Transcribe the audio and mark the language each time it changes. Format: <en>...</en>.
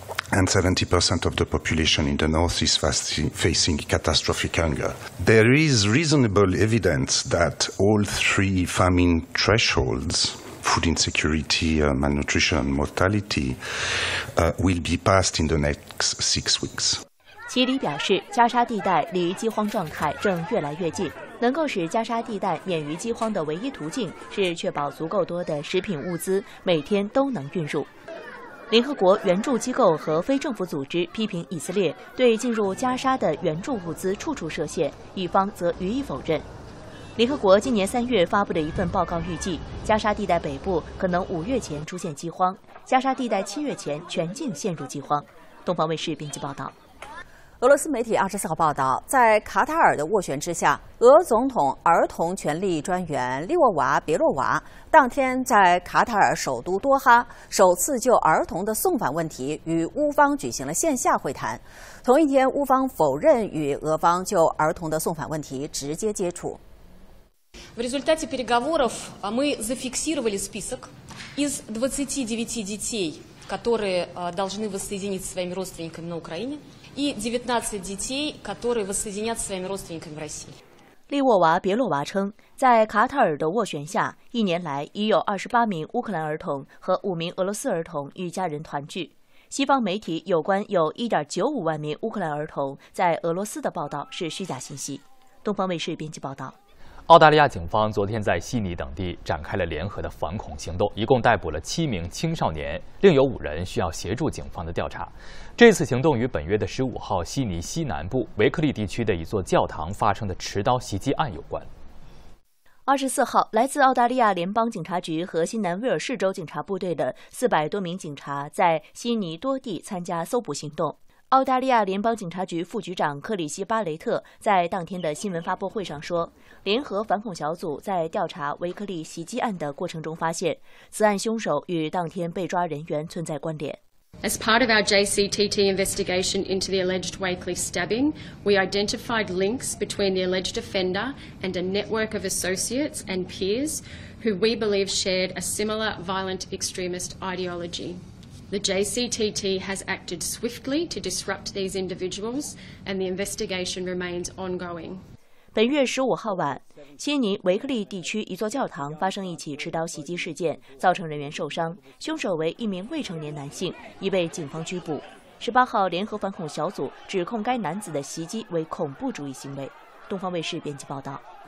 <en>and 70% of the population in the north is facing catastrophic hunger. There is reasonable evidence that all three famine thresholds, food insecurity, malnutrition, mortality, will be passed in the next 6 weeks.</en> <zh>齐里表示，加沙地带离饥荒状态正越来越近，能够使加沙地带免于饥荒的唯一途径是确保足够多的食品物资每天都能运入。联合国援助机构和非政府组织批评以色列对进入加沙的援助物资处处设限，一方则予以否认。联合国今年三月发布的一份报告预计，加沙地带北部可能五月前出现饥荒，加沙地带七月前全境陷入饥荒。东方卫视编辑报道。俄罗斯媒体24号报道，在卡塔尔的斡旋之下，俄总统儿童权利专员利沃娃·别洛娃当天在卡塔尔首都多哈首次就儿童的送返问题与乌方举行了线下会谈。同一天，乌方否认与俄方就儿童的送返问题直接接触。</zh> <ru>В результате переговоров мы зафиксировали список из 29 детей, которые должны воссоединиться со своими родственниками на Украине. и 19 детей, которые воссоединятся со своими родственниками в России.</ru> <zh>利沃娃·别洛娃称，在卡塔尔的斡旋下，一年来已有28名乌克兰儿童和5名俄罗斯儿童与家人团聚。西方媒体有关有 1.95 万名乌克兰儿童在俄罗斯的报道是虚假信息。东方卫视编辑报道。澳大利亚警方昨天在悉尼等地展开了联合的反恐行动，一共逮捕了七名青少年，另有五人需要协助警方的调查。这次行动与本月的15号悉尼西南部维克利地区的一座教堂发生的持刀袭击案有关。 24号，来自澳大利亚联邦警察局和新南威尔士州警察部队的400多名警察在悉尼多地参加搜捕行动。澳大利亚联邦警察局副局长克里希·巴雷特在当天的新闻发布会上说，联合反恐小组在调查维克利袭击案的过程中发现，此案凶手与当天被抓人员存在关联。</zh> <en>As part of our JCTT investigation into the alleged Wakely stabbing, we identified links between the alleged offender and a network of associates and peers who we believe shared a similar violent extremist ideology. The JCTT has acted swiftly to disrupt these individuals, and the investigation remains ongoing.</en> <zh>本月15号晚，悉尼维克利地区一座教堂发生一起持刀袭击事件，造成人员受伤，凶手为一名未成年男性，已被警方拘捕。 18号，联合反恐小组指控该男子的袭击为恐怖主义行为。东方卫视编辑报道。</zh>